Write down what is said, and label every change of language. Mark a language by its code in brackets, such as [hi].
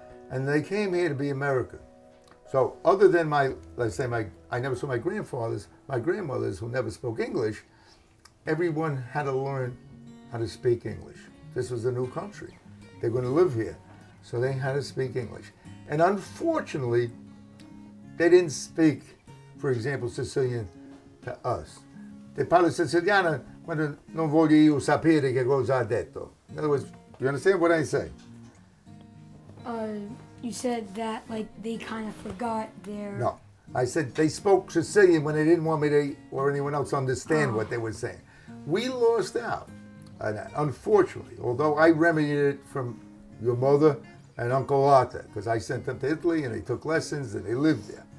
[en] And they came here to be American. So other than my, let's say, I never saw my grandfathers, my grandmothers who never spoke English, everyone had to learn how to speak English. This was a new country. They're going to live here. So they had to speak English. And unfortunately, they didn't speak, for example, Sicilian to us. They [it] parlano siciliano quando non voglio io sapere che cosa ha detto. [en] In other words, you understand what I say? You said that, like, they kind of forgot their... No. I said they spoke Sicilian when they didn't want me to, or anyone else, understand what they were saying. We lost out on that, unfortunately. Although I remedied it from your mother and Uncle Arthur, because I sent them to Italy, and they took lessons, and they lived there.